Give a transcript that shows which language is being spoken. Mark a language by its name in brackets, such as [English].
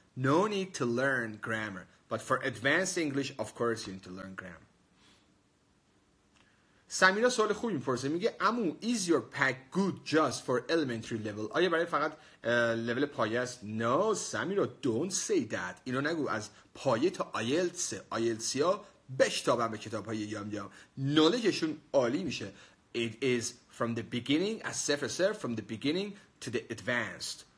[English] No need to learn grammar. But for advanced English of course you need to learn grammar. [Persian] سمیرا سوال خوبی میپرسه، میگه امو [English] is your pack good just for elementary level؟ [Persian] آیا برای فقط لول پایه است؟ نو سمیرا، [English] don't say that. [Persian] اینو نگو، از پایه تا آیلتس، آیلتسیا بشتابن به کتاب های یام یام، نالجشون عالی میشه. [English] It is from the beginning, as [Persian] صفر صفر [English] from the beginning to the advanced.